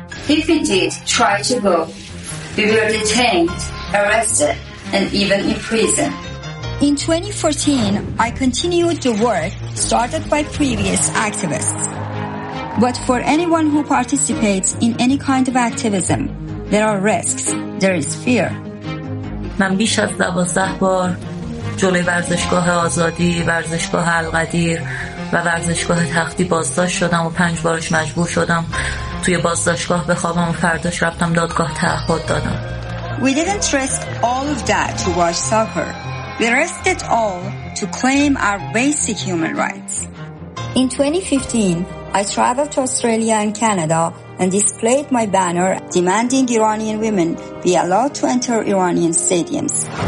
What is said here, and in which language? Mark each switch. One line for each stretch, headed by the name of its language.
English: If indeed try to go, we were detained, arrested, and even in prison. In 2014, I continued the work started by previous activists. But for anyone who participates in any kind of activism, there are risks, there is fear.
Persian: من بیش از 12 بار جلوی ورزشگاه آزادی، ورزشگاه القدیر و ورزشگاه تختی بازداشت شدم و 5 بارش مجبور شدم توی بازداشتگاه بخوابم و فرداش رفتم دادگاه تعهد دادم.
English: We didn't risk all of that to watch soccer. We risked it all to claim our basic human rights. In 2015, I traveled to Australia and Canada and displayed my banner demanding Iranian women be allowed to enter Iranian stadiums.